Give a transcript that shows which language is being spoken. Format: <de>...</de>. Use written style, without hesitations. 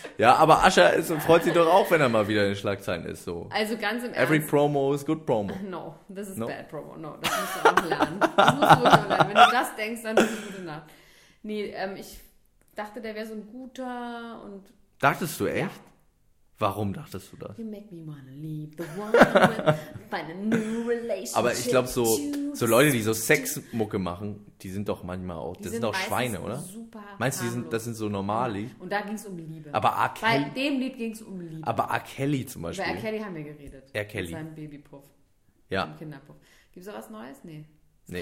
<de>Ja, aber Usher ist, ja. Freut sich doch auch, wenn er mal wieder in den Schlagzeilen ist. So. Also ganz im Ernst.</de> <en>Every promo is good promo. No, this is bad promo.</en> <de>No, das musst du auch lernen. Das musst du lernen. Wenn du das denkst, dann ist es gute Nacht. Nee, ich dachte, der wäre so ein guter und... Dachtest du echt? Ja. Warum dachtest du das?</de> <en>You make me wanna leave the world, find a new relationship.</en> <de>Aber ich glaube, so Leute, die so Sexmucke machen, die sind doch manchmal auch, das sind auch Schweine, oder? Super. Meinst du, das sind so normale? Und da ging es um Liebe. Aber R. Kelly. Bei dem Lied ging es um Liebe. Aber R. Kelly zum Beispiel. Über R. Kelly haben wir geredet. R. Kelly. Mit seinem Babypuff. Ja. Mit Kinderpuff. Gibt es da was Neues? Nee. Nee.</de>